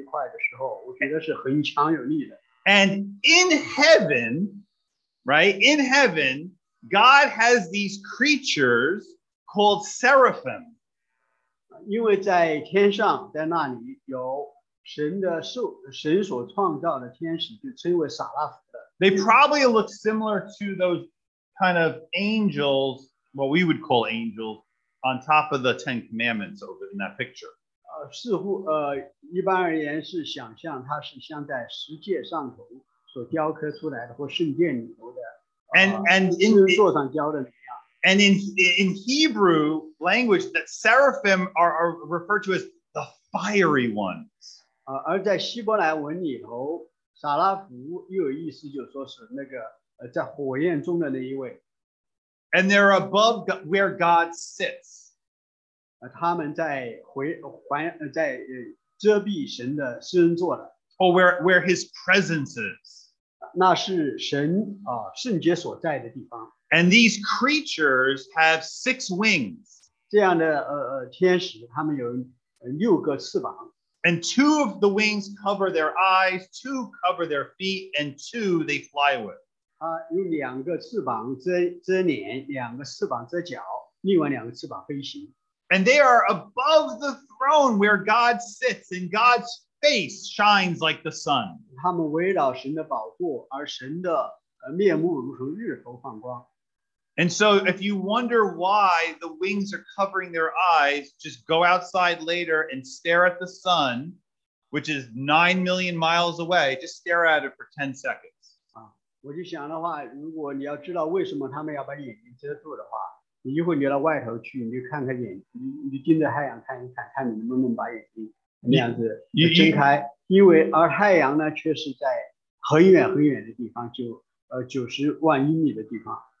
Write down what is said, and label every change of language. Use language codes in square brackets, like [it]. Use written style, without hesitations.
[zh] 但是我读以赛亚书读过很多次，但是我在读到第六章第三节，六章这一块的时候，我觉得是很强有力的。 [en] And in heaven, right, in heaven, God has these creatures called seraphim. [zh] 因为在天上，在那里有神所创造的天使，就称为撒拉弗的。 [en] They probably look similar to those kind of angels, what we would call angels, on top of the Ten Commandments over in that picture. [zh] 似乎一般而言是想象它是像在十诫上头所雕刻出来的或圣殿里头的。 [en] And in And in Hebrew language, that seraphim are referred to as the fiery ones. [zh] 而在希伯来文里头，撒拉弗又有意思，就是说是那个在火焰中的那一位。 [en] And they're above where God sits. [zh] 他们在在遮蔽神的施恩座的。 [en] Or where His presence is. [zh] 那是神圣洁所在的地方。 [en] And these creatures have six wings. [zh] 这样的天使，他们有六个翅膀。 [en] And two of the wings cover their eyes, two cover their feet, and two they fly with. [zh] 有两个翅膀遮脸，两个翅膀遮脚，另外两个翅膀飞行。 [en] And they are above the throne where God sits, and God's face shines like the sun. [zh] 他们围绕神的宝座，而神的面目如同日头放光。 [en] And so if you wonder why the wings are covering their eyes, just go outside later and stare at the sun, which is 9 million miles away. Just stare at it for 10 seconds. [zh] 我就想的话，如果你要知道为什么他们要把眼睛遮住的话，你一会儿你到外头去，你就看看眼睛，你盯着太阳看一看，看你能不能把眼睛那样子睁开。因为而太阳呢，却是在很远很远的地方，就90万英里的地方。